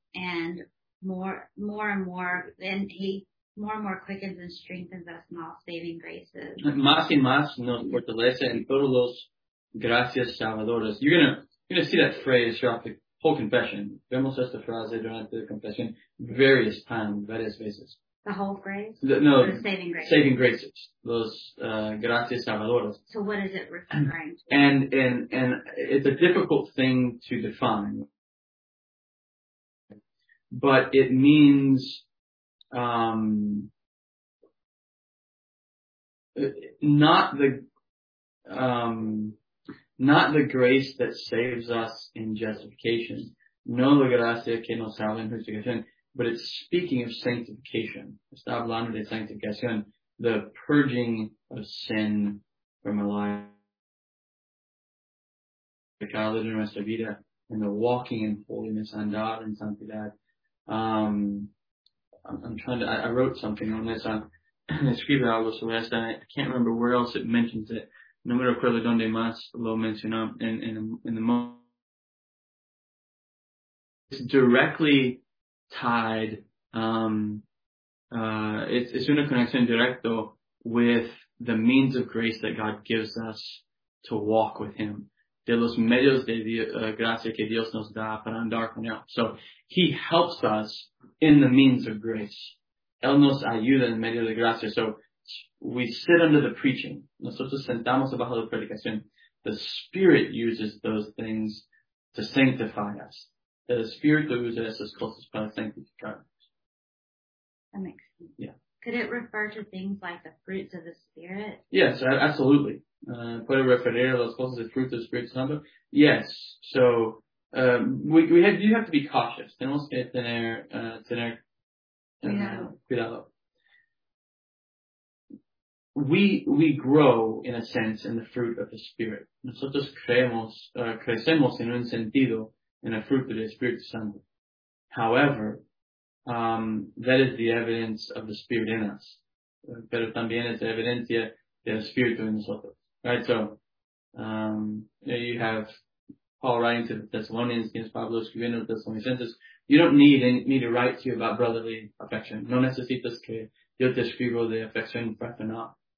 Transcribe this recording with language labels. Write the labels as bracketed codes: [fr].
[en] And more and more quickens and strengthens us in all saving graces. [es] Más y más nos fortalece en todos los gracias salvadoras. [en] You're gonna see that phrase throughout the whole confession. [es] Vemos esta frase durante la confesión [en] various times, [es] varias veces. [en] The whole phrase? The saving graces. Saving graces. [es] Los gracias salvadoras. [en] So what is it referring to? And it's a difficult thing to define. But it means not the grace that saves us in justification. [es] No la gracia que nos salva en justificación. [en] But it's speaking of sanctification. [es] Está hablando de sanctificación. [en] The purging of sin from our life. [es] The calidad de nuestra vida. [en] And the walking in holiness. [es] Andar en santidad. [en] I wrote something on this. [es] Escribe algo sobre esto. [en] I can't remember where else it mentions it. [es] No me recuerdo donde más lo mencionó. [en] In the moment. It's directly tied, it's [es] una conexión directo [en] with the means of grace that God gives us to walk with Him. [es] De los medios de gracia que Dios nos da para andar con Él. [en] So, He helps us in the means of grace. [es] Él nos ayuda en medio de gracia. [en] So, we sit under the preaching. [es] Nosotros sentamos bajo la predicación. [en] The Spirit uses those things to sanctify us. [es] El Espíritu usa esas cosas para sanctificarnos. [en] That makes sense. Yeah. Could it refer to things like the fruits of the Spirit? Yes, absolutely. [es] Puede referir a las cosas de [en] fruits of the Spirit. Yes. So, you have to be cautious. [es] Tenemos que tener cuidado. [en] We grow, in a sense, in the fruit of the Spirit. [es] Nosotros crecemos en un sentido [en] in a fruit of the Spirit [es] Santo. [en] However, that is the evidence of the Spirit in us. [es] Pero también es evidencia del Espíritu en nosotros. [en] Right, so, you have Paul writing to the Thessalonians, [es] tienes Pablo escribiendo a los Thessalonicenses. [en] You don't need me to write to you about brotherly affection. [es] No necesitas que yo te escribo de afección fraternal.